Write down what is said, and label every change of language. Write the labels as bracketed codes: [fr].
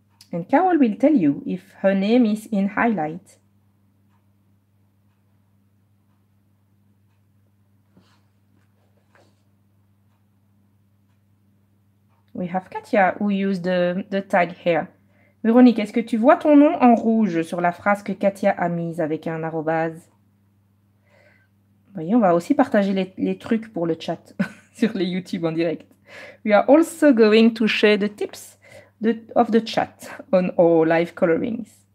[en] And Carol will tell you if her name is in highlight. We have Katia who used the tag here. [fr] Véronique, est-ce que tu vois ton nom en rouge sur la phrase que Katia a mise avec un arrobase? Voyez, on va aussi partager les trucs pour le chat sur les YouTube en direct. [en] We are also going to share the tips of the chat on our live colorings.